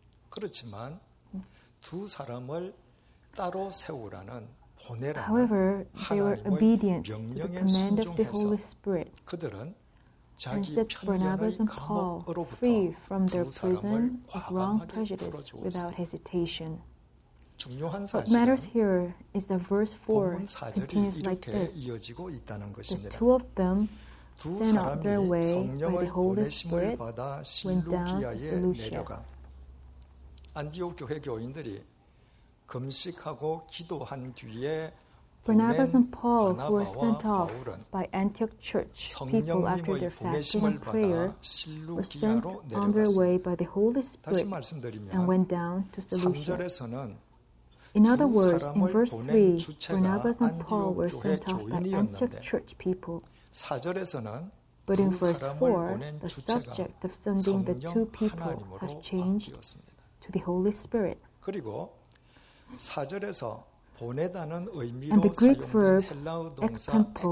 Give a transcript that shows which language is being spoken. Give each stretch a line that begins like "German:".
Korean: 그렇지만 두 사람을 따로 세우라는 보내라는
English: However, they were obedient to the command of the Holy Spirit.
Korean: 그들은 자기 편견을 감옥으로부터 두 사람을 과감하게 풀어주었습니다.
English: Without hesitation.
Korean: 중요한
English: What matters here is that verse 4 continues like this. The two of them sent out their way by the Holy Spirit, went down to Seleucia.
Korean: 안디옥 교회 교인들이 금식하고 기도한 뒤에
English: Barnabas and Paul who were sent off by Antioch Church people after their fasting and prayer were sent on their way by the Holy Spirit and went down to Seleucia. In other words, in verse 3, Barnabas and Paul were sent off by Antioch Church people. But in verse 4, the subject of sending the two people has changed to the Holy Spirit.
Korean: 그리고 4절에서 보내다는 의미로 사용된 헬라어 동사